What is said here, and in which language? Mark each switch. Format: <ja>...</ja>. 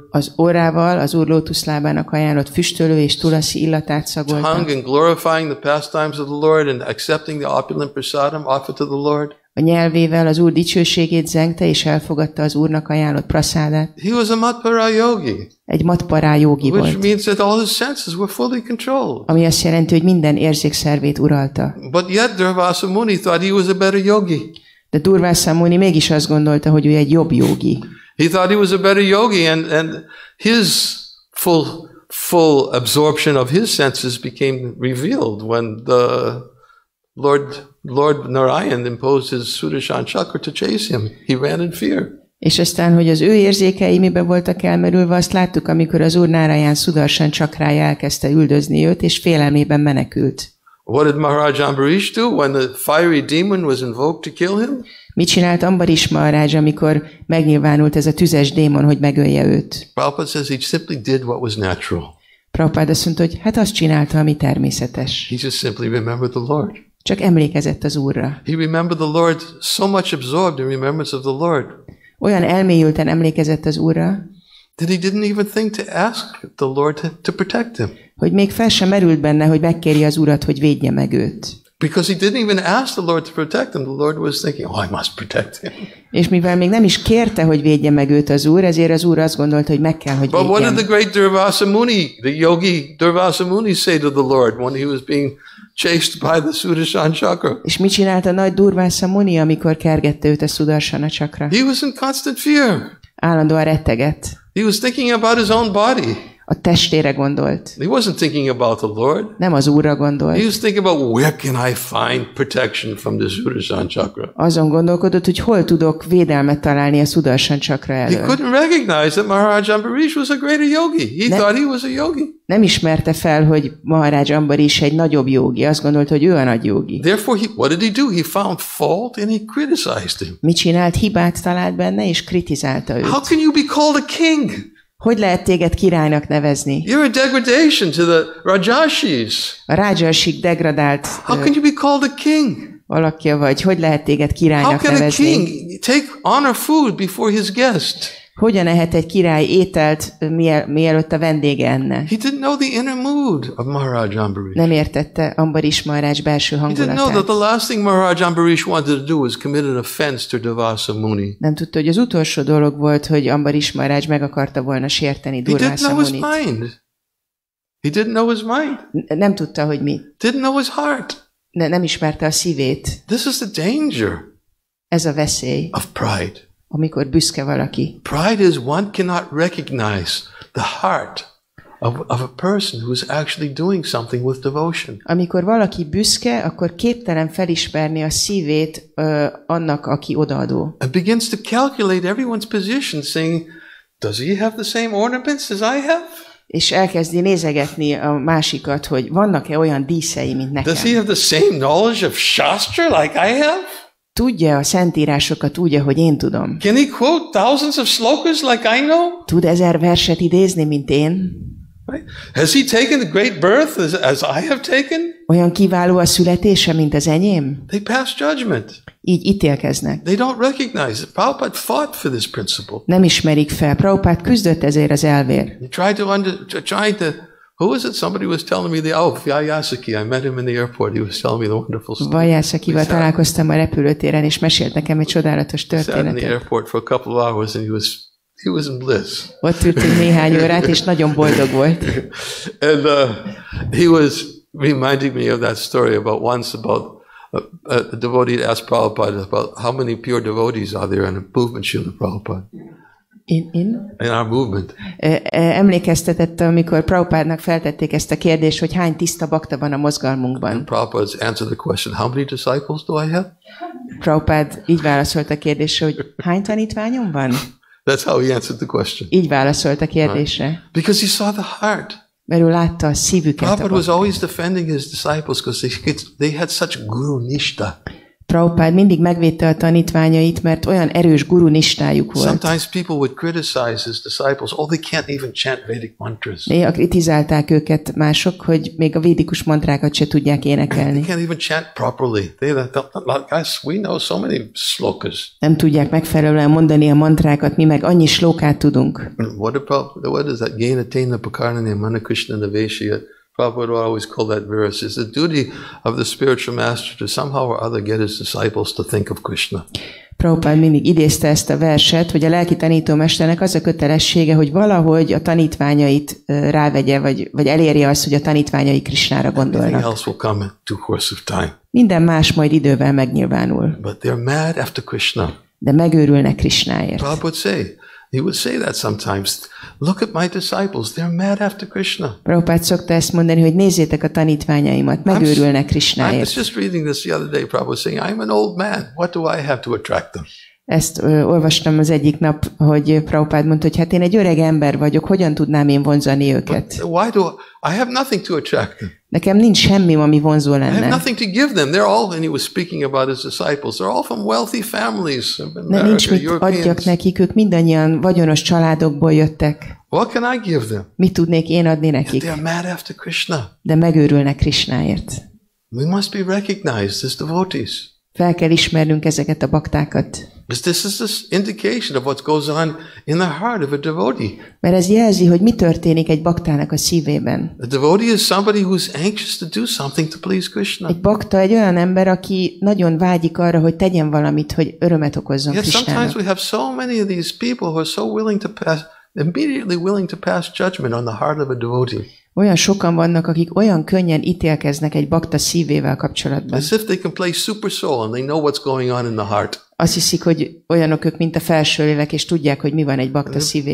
<hu>Az orrával az Úr lótuszlábának ajánlott füstölő és tulasi illatát szagolta.</hu> <en>Tongue in glorifying the pastimes of the Lord and accepting the opulent prasadam offered to the Lord.</en> <hu>A nyelvével az Úr dicsőségét zengte és elfogadta az Úrnak ajánlott prasádát.</hu> <en>He was a matpara yogi.</en> <hu>Egy matpara yogi volt.</hu> <en>Which means that all his senses were fully controlled.</en> <hu>Ami azt jelenti, hogy minden érzékszervét uralta.</hu> <en>But yet Durvasamuni thought he was a better yogi.</en> <hu>De Durvasamuni mégis azt gondolta, hogy ő egy jobb yogi.</hu> <en>He thought he was a better yogi and his full absorption of his senses became revealed when the Lord Narayan imposed his Sudarshan Chakra to chase him. He ran in fear.</en> <hu>És aztán, hogy az ő érzékei miben voltak elmerülve, azt láttuk, amikor az Úr Narayan Sudarshan Chakrája elkezdte üldözni őt, és félelmében menekült.</hu> <en>What did Maharaj Ambarish do when the fiery demon was invoked to kill him?</en> <hu>Mit csinált Ambarish Maharaj, amikor megnyilvánult ez a tüzes démon, hogy megölje őt?</hu> <en>Prabhupada says he simply did what was natural.</en> <hu>Prabhupada azt mondta, hogy hát azt csinálta, ami természetes.</hu> <en>He just simply remembered the Lord.</en> <hu>Csak emlékezett az Úrra.</hu> <en>He remembered the Lord so much absorbed in remembrance of the Lord.</en> <hu>Olyan elmélyülten emlékezett az Úrra.</hu> <en>That he didn't even think to ask the Lord to protect him.</en> <hu>Hogy még fel sem merült benne, hogy megkéri az Urat, hogy védje meg őt.</hu> <en>Because he didn't even ask the Lord to protect him. The Lord was thinking, oh, I must protect him.</en> <hu>És mivel még nem is kérte, hogy védje meg őt az Úr, ezért az Úr azt gondolta, hogy meg kell, hogy védjem.</hu> <en>But what did the great Durvasamuni, the yogi Durvasamuni say to the Lord when he was being chased by the Sudarshan Chakra?</en> <hu>És mit csinált a nagy Durvasamuni, amikor kergette őt a Sudarshana Chakra?</hu> <en>He was in constant fear.</en> <hu>Állandóan rettegett.</hu> <en>He was thinking about his own body.</en> <hu>A testére gondolt.</hu> <en>He wasn't thinking about the Lord.</en> <hu>Nem az Úrra gondolt.</hu> <en>He was thinking about where can I find protection from the Sudarshan Chakra.</en> <hu>Azon gondolkodott, hogy hol tudok védelmet találni a Sudarshan Chakra elől.</hu> <en>He couldn't recognize that Maharaj Ambarish was a greater yogi. He thought he was a yogi.</en> <hu>Nem ismerte fel, hogy Maharaj Ambarish egy nagyobb yogi. Azt gondolta, hogy ő a nagy yogi.</hu> <en>Therefore, what did he do? He found fault and he criticized him.</en> <hu>Mit csinált? Hibát talált benne és kritizálta őt.</hu> <en>How can you be called a king?</en> <hu>Hogy lehet téged királynak nevezni?</hu> <en>You're a degradation to the Rajashis.</en> <hu>A Rajashik degradált.</hu> <en>How can you be called a king?</en> <hu>Alakja vagy. Hogy lehet téged királynak nevezni?</hu> <en>How can a king take honor food before his guest?</en> <hu>Hogyan ehet egy király ételt, mielőtt a vendége enne?</hu> <en>He didn't know the inner mood of Maharaj Ambarish.</en> <hu>Nem értette Ambarish Maharaj belső hangulatát.</hu> <en>He didn't know that the last thing Maharaj Ambarish wanted to do was commit an offense to Durvasamuni.</en> <hu>Nem tudta, hogy az utolsó dolog volt, hogy Ambarish Maharaj meg akarta volna sérteni Durvasamunit.</hu> <en>He didn't know his mind.</en> <hu>Nem tudta, hogy mi.</hu> <en>Didn't know his heart.</en> <hu>Nem ismerte a szívét.</hu> <en>This is the danger.</en> <hu>Ez a veszély.</hu> <en>Of pride.</en> <hu>Amikor büszke valaki.</hu> <en>Pride is one cannot recognize the heart of a person who is actually doing something with devotion.</en> <hu>Amikor valaki büszke, akkor képtelen felismerni a szívét annak, aki odaadó.</hu> <en>And begins to calculate everyone's position, saying, does he have the same ornaments as I have?</en> <hu>És elkezdi nézegetni a másikat, hogy vannak-e olyan díszei, mint nekem.</hu> <en>Does he have the same knowledge of Shastra like I have?</en> <hu>Tudja a szentírásokat úgy, ahogy én tudom.</hu> <en>Can he quote thousands of slokas like I know?</en> <hu>Tud ezer verset idézni, mint én?</hu> <en>Right. Has he taken the great birth as I have taken?</en> <hu>Olyan kiváló a születése, mint az enyém?</hu> <en>They pass judgment.</en> <hu>Így ítélkeznek.</hu> <en>They don't recognize it. Prabhupada fought for this principle.</en> <hu>Nem ismerik fel. Prabhupada küzdött ezért az elvért.</hu> <en>He tried to Who was it? Somebody was telling me Vyasaki. I met him in the airport. He was telling me the wonderful story.</en> <hu>Vyasakival találkoztam a repülőtéren, és mesélt nekem egy csodálatos történetet.</hu> <en>Sat in the airport for a couple of hours, and he was in bliss.</en> <hu>Ott ültünk néhány órát, és nagyon boldog volt.</hu> <en>And he was reminding me of that story about once about a devotee asked Prabhupada about how many pure devotees are there in a movement Srila Prabhupada. In our movement.</en> <hu>Emlékeztetett, amikor Prabhupádnak feltették ezt a kérdést, hogy hány tiszta bakta van a mozgalmunkban.</hu> <en>Prabhupád answered the question, how many disciples do I have?</en> <hu>Prabhupád így válaszolt a kérdésre, hogy hány tanítványom van?</hu> <en>That's how he answered the question.</en> <hu>Így válaszolt a kérdésre.</hu> <en>Right. Because he saw the heart.</en> <hu>Mert ő látta a szívüket.</hu> <en>Prabhupád was always defending his disciples because they had such guru nishta.</en> <hu>Prabhupád mindig megvédte a tanítványait, mert olyan erős guru nistájuk volt.</hu> <en>Sometimes people would criticize his disciples, oh, they can't even chant Vedic mantras.</en> <hu>Néha kritizálták őket mások, hogy még a védikus mantrákat se tudják énekelni.</hu> <en>They can't even chant properly. Guys, we know so many slokas.</en> <hu>Nem tudják megfelelően mondani a mantrákat, mi meg annyi slokát tudunk.</hu> <en>What is that gain attain the pakarnanya mana krishna navesha? Prabhupada always called that verse. It's the duty of the spiritual master to somehow or other get his disciples to think of Krishna.</en> <hu>Prabhupada mindig idézte ezt a verset, hogy a lelki tanító mesternek az a kötelessége, hogy valahogy a tanítványait rávegye, vagy elérje azt, hogy a tanítványai Krishnára gondolnak.</hu> <en>Anything else will come in due course of time.</en> <hu>Minden más majd idővel megnyilvánul.</hu> <en>But they're mad after Krishna.</en> <hu>De megőrülnek Krishnáért.</hu> <en>He would say that sometimes. Look at my disciples; they're mad after Krishna.</en> <hu>Prabhupád szokta ezt mondani, hogy nézzétek a tanítványaimat, megőrülnek Krishnáért.</hu> <en>I was just reading this the other day. Prabhupád saying, "I'm an old man. What do I have to attract them?"</en> <hu>Ezt olvastam az egyik nap, hogy Prabhupád mondta, hogy hát én egy öreg ember vagyok, hogyan tudnám én vonzani őket?</hu> <en>But why do I have nothing to attract them?</en> <hu>Nekem nincs semmi, ami vonzó lenne.</hu> <en>I have nothing to give them. They're all, and he was speaking about his disciples. They're all from wealthy families.</en> <hu>Nem nincs mit adjak nekik, ők mindannyian vagyonos családokból jöttek.</hu> <en>What can I give them?</en> <hu>Mit tudnék én adni nekik?</hu> <en>They're mad after Krishna.</en> <hu>De megőrülnek Krishnáért.</hu> <en>We must be recognized as devotees.</en> <hu>Fel kell ismernünk ezeket a baktákat.</hu> <en>This is an indication of what goes on in the heart of a devotee.</en> <hu>Mert ez jelzi, hogy mi történik egy baktának a szívében.</hu> <en>A devotee is somebody who's anxious to do something to please Krishna.</en> <hu>Egy bakta egy olyan ember, aki nagyon vágyik arra, hogy tegyen valamit, hogy örömet okozzon Krishnának.</hu> <en>Yet sometimes we have so many of these people who are so willing to pass judgment on the heart of a devotee.</en> <hu>Olyan sokan vannak, akik olyan könnyen ítélkeznek egy bakta szívével kapcsolatban.</hu> <en>As if they can play super soul and they know what's going on in the heart.</en> <hu>Azt hiszik, hogy olyanok ők, mint a felső lélek, és tudják, hogy mi van egy bakta szívében.</hu>